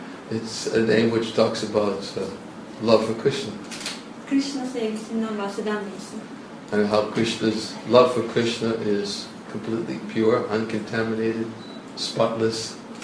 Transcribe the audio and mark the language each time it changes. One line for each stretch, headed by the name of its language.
English: It's a name which talks about love for Krishna
Turkish: sevgisinden bahseden bir isim.
English: And how Krishna's love for Krishna is completely pure, uncontaminated, spotless.